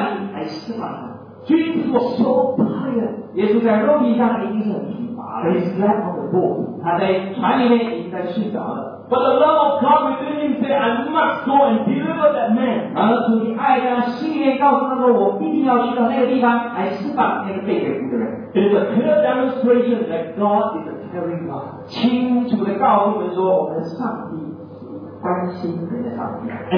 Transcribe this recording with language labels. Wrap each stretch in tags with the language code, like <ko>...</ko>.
<zh>耶稣在刚刚说开始很累的时候，听到在那边睡觉的时候，他还想到那个人，说我需要到那里来释放他。Jesus</zh> <en>was so tired.</en> <zh>耶稣在肉体上已经是很疲乏了。</zh> <en>He slept on the board.</en> <zh>他在船里面已经在睡着了。</zh> <en>But the love of God within him said, I must go and deliver that man.</en> <zh>然后主的爱让心里面告诉他说，我一定要去到那个地方来释放那个被鬼附的人。</zh> <en>It is a clear demonstration that God is a caring God.</en> <zh>清楚地告诉我们说，我们上帝关心人的上帝。</zh> <en>And</en>